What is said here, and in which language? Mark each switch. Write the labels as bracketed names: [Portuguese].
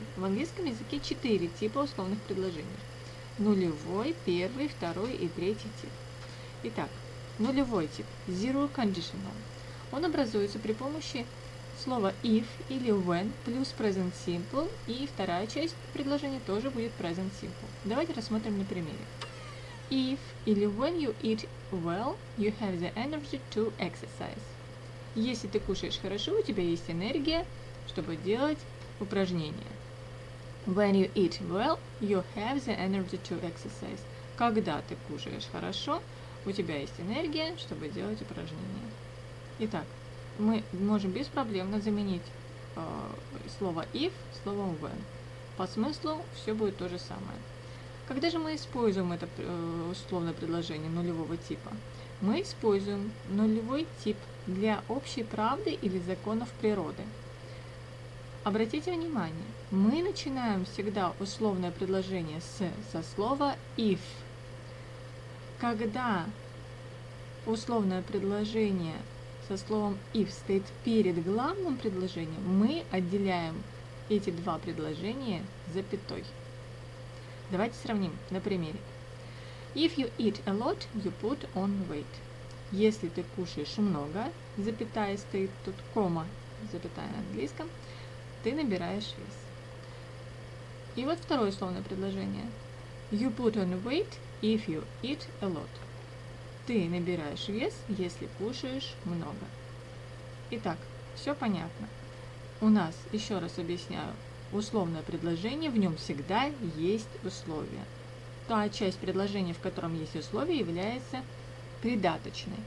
[Russian] В английском языке четыре типа условных предложений. Нулевой, первый, второй и третий тип. Итак, нулевой тип, zero conditional. Он образуется при помощи слово if или when плюс present simple, и вторая часть предложения тоже будет present simple. Давайте рассмотрим на примере. [English] If [Russian] или [English] when you eat well, you have the energy to exercise. [Russian] Если ты кушаешь хорошо, у тебя есть энергия, чтобы делать упражнения. [English] When you eat well, you have the energy to exercise. [Russian] Когда ты кушаешь хорошо, у тебя есть энергия, чтобы делать упражнения. Итак, мы можем беспроблемно заменить слово if словом when. По смыслу все будет то же самое. Когда же мы используем это условное предложение нулевого типа? Мы используем нулевой тип для общей правды или законов природы. Обратите внимание, мы начинаем всегда условное предложение со слова if. Когда условное предложение со словом if стоит перед главным предложением, мы отделяем эти два предложения запятой. Давайте сравним на примере. [English] If you eat a lot, you put on weight. [Russian] Если ты кушаешь много, запятая стоит тут, кома, запятая на английском, ты набираешь вес. И вот второе условное предложение. [English] You put on weight if you eat a lot. [Russian] Ты набираешь вес, если кушаешь много. Итак, все понятно. У нас, еще раз объясняю, условное предложение, в нем всегда есть условие. Та часть предложения, в котором есть условие, является придаточной.